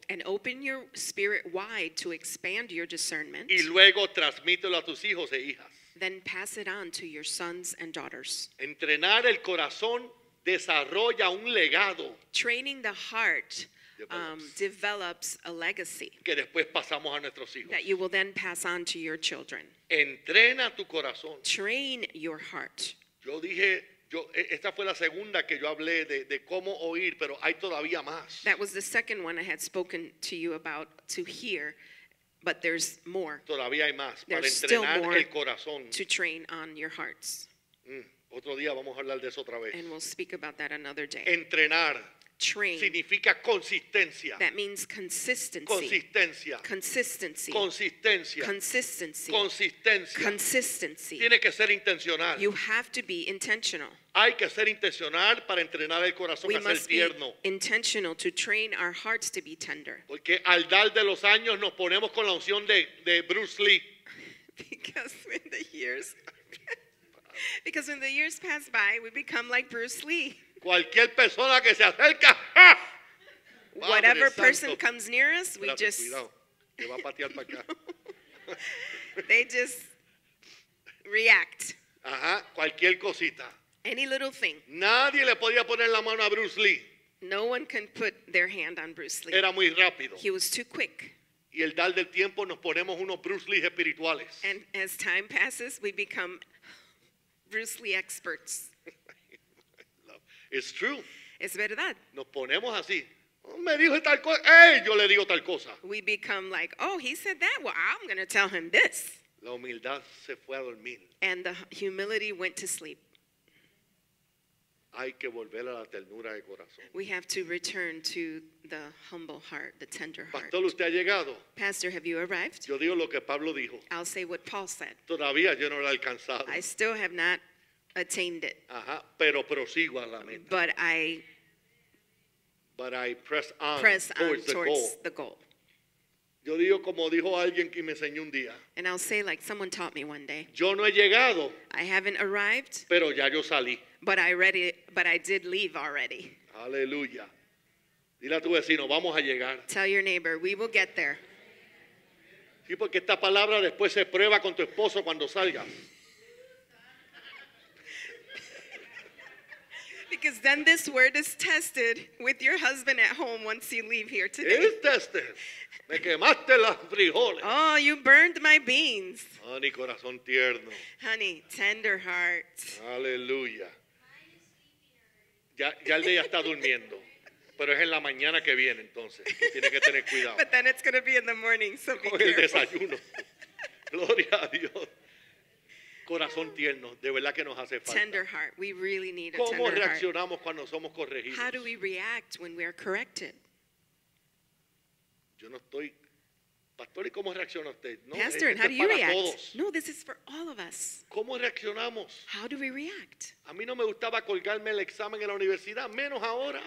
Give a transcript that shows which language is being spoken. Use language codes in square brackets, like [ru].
[en] And open your spirit wide to expand your discernment. [es] Y luego transmítelo a tus hijos e hijas. [en] Then pass it on to your sons and daughters. [es] Entrenar el corazón. Desarrolla un legado. [en] Training the heart develops a legacy. [es] Que después pasamos a nuestros hijos. [en] That you will then pass on to your children. [es] Entrena tu corazón. [en] Train your heart. [es] Yo dije, esta fue la segunda que yo hablé de cómo oír, pero hay todavía más. [en] That was the second one I had spoken to you about to hear, but there's more. [es] Todavía hay más. [en] There's [es] para entrenar [en] still more [es] el corazón. [en] To train on your hearts. [es] Otro día vamos a hablar de eso otra vez. [en] And we'll speak about that another day. [es] Entrenar. [en] Train. [es] Significa consistencia. [en] That means consistency. [es] Consistencia. [en] Consistency. [es] Consistencia. [en] Consistency. [es] Consistencia. [en] Consistency. [es] Tiene que ser intencional. [en] You have to be intentional. [es] Hay que ser intencional para entrenar el corazón [en] we [es] a ser tierno. [en] We must be intentional to train our hearts to be tender. [es] Porque al dar de los años nos ponemos con la unción de Bruce Lee. [en] Because in the years... Because when the years pass by, we become like Bruce Lee. [es] Cualquier persona que se acerca, [en] whatever person comes near us, we just... [es] Cuidado, que va a patear para acá. [en] They just react. [es] Ajá, cualquier cosita. [en] Any little thing. [es] Nadie le podía poner la mano a Bruce Lee. [en] No one can put their hand on Bruce Lee. [es] Era muy rápido. [en] He was too quick. [es] Y el dal del tiempo nos ponemos unos Bruce Lee espirituales. [en] And as time passes, we become... Bruce Lee experts. It's true. [es] Es verdad. Nos ponemos así. Me dijo tal cosa. Hey, yo le digo tal cosa. [en] We become like, oh, he said that. Well, I'm going to tell him this. [es] La humildad se fue a dormir. [en] And the humility went to sleep. [es] Hay que volver a la ternura de corazón. [en] We have to return to the humble heart, the tender heart. [es] Pastor, ¿usted ha llegado? [en] Pastor, have you arrived? [es] Yo digo lo que Pablo dijo. [en] I'll say what Paul said. [es] Todavía yo no lo he alcanzado. [en] I still have not attained it. [es] Ajá, pero prosigo a la meta. [en] But I press on towards the goal. The goal. [es] Yo digo como dijo alguien que me enseñó un día. [en] And I'll say like someone taught me one day. [es] Yo no he llegado. [en] I haven't arrived. [es] Pero ya yo salí. [en] But I did leave already. [es] Aleluya. Dile a tu vecino, vamos a llegar. [en] Tell your neighbor, we will get there. [es] Sí, porque esta palabra después se prueba con tu esposo cuando salgas. [en] Because then this word is tested with your husband at home once you leave here today. [es] Es tested. Me quemaste los frijoles. [en] Oh, you burned my beans. [es] Honey, corazón tierno. [en] Honey, tender heart. [es] Aleluya. Ya el de ella está durmiendo. Pero es en la mañana que viene, entonces. Tiene que tener cuidado. [en] But then it's going to be in the morning, so be careful. [es] El desayuno. Gloria a Dios. Corazón tierno, de verdad que nos hace falta. [en] Tender heart, we really need a tender heart. [es] ¿Cómo reaccionamos cuando somos corregidos? [en] How do we react when we are corrected? [es] Yo no estoy, pastor, ¿y cómo reacciona usted? No, pastor, este [en] and how do you react? [es] Todos. [en] No, this is for all of us. [es] ¿Cómo reaccionamos? [en] How do we react? [es] A mí no me gustaba colgarme el examen en la universidad, menos ahora.